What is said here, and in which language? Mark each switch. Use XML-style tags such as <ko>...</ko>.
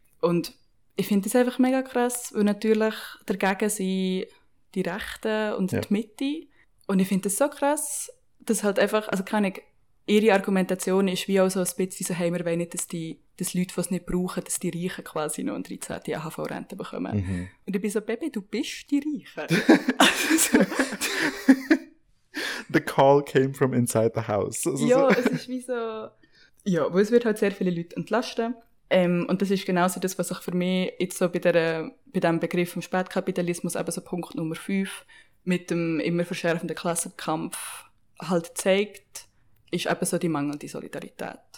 <de>Und ich finde das einfach mega krass, weil natürlich dagegen sind die Rechten und die Mitte. Und ich finde das so krass, dass halt einfach, also keine ihre Argumentation ist wie auch so ein bisschen so, hey, wir wollen nicht, dass Leute, die es nicht brauchen, dass die Reichen quasi noch eine 13. AHV-Rente bekommen. Mhm. Und ich bin so, Baby, du bist die Reichen.</de> <en>The call came from inside the house.</en> <de>Also ja, so. Es ist wie so... Ja, weil es wird halt sehr viele Leute entlasten. Und das ist genauso das, was ich für mich jetzt so bei dem Begriff vom Spätkapitalismus, eben so Punkt Nummer 5, mit dem immer verschärfenden Klassenkampf halt zeigt, ist eben so die mangelnde Solidarität.</de>